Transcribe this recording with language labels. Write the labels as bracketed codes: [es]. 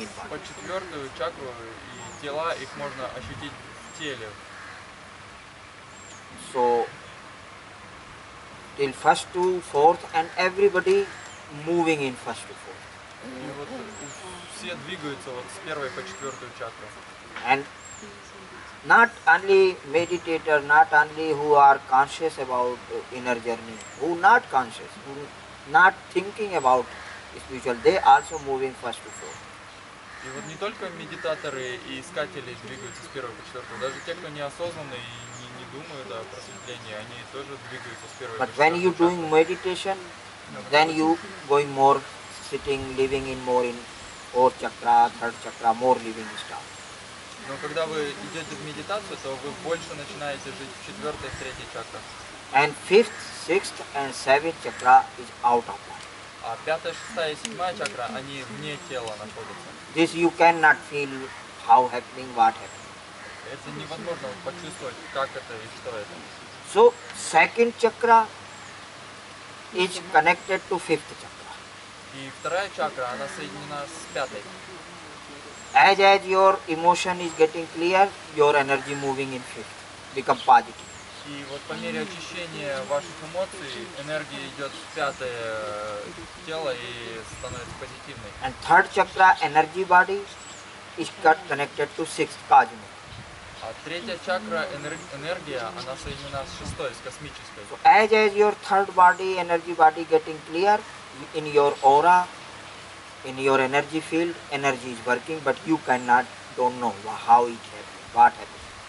[ru] По четвертую чакру и тела их можно ощутить в теле. [en] So, till first to fourth and everybody moving in first to fourth. [ru] И вот все двигаются вот с первой по четвертую чакру. [en] And not only meditator, not only who are conscious about inner journey, who not conscious, who not thinking about spiritual, they also moving first to fourth. [ru] И вот не только медитаторы и искатели двигаются с первой по четвертую, даже те, кто неосознанно и не думают о просветлении, они тоже двигаются с первой по четвертую. [en] But when you doing meditation, then you going more sitting, living in more in fourth chakra, third chakra, more living stuff. [ru] Но когда вы идете в медитацию, то вы больше начинаете жить в четвертой, в третьей чакрах. [en] And fifth, sixth and seventh chakra is out of that. [ru] А пятая, шестая и седьмая чакра, они вне тела находятся. [en] This you cannot feel how happening, what happening. [ru] Это невозможно почувствовать, как это и что это. [en] So, second chakra is connected to fifth chakra. [ru] И вторая чакра, она соединена с пятой. [en] As your emotion is getting clear, your energy moving in fifth, become positive. [ru] И вот по мере очищения ваших эмоций, энергия идет в пятое тело и становится позитивной. [en] And third chakra, energy body, is connected to sixth cardinal. [ru] А третья чакра, энергия, она соединена с шестой, с космической. [en] So as your third body, energy body getting clear in your aura, in your energy field, energy is working, but you cannot, don't know how it happens, what happens.